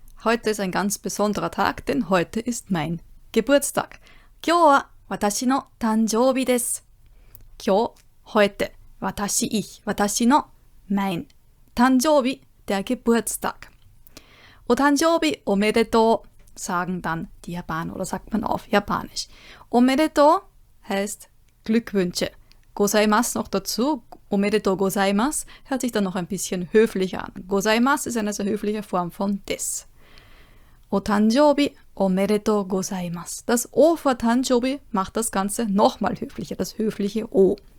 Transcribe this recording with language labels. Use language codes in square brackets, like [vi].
[de] Heute ist ein ganz besonderer Tag, denn heute ist mein Geburtstag. [ja] 今日は私の誕生日です。今日、 [de] heute、 [ja] 私、 [de] ich、 [ja] 私の、 [de] mein、 [ja] 誕生日、 [de] der Geburtstag。 [ja] お誕生日おめでとう、 [de] sagen dann die Japaner, oder sagt man auf Japanisch. [ja] おめでとう [de] heißt Glückwünsche. Gozaimasu noch dazu. [ja] Omedetou gozaimasu [de] hört sich dann noch ein bisschen höflicher an. Gozaimasu ist eine sehr höfliche Form von des. [ja] O tanjoubi, omedetou gozaimasu. [de] Das O vor tanjoubi macht das Ganze nochmal höflicher, das höfliche O.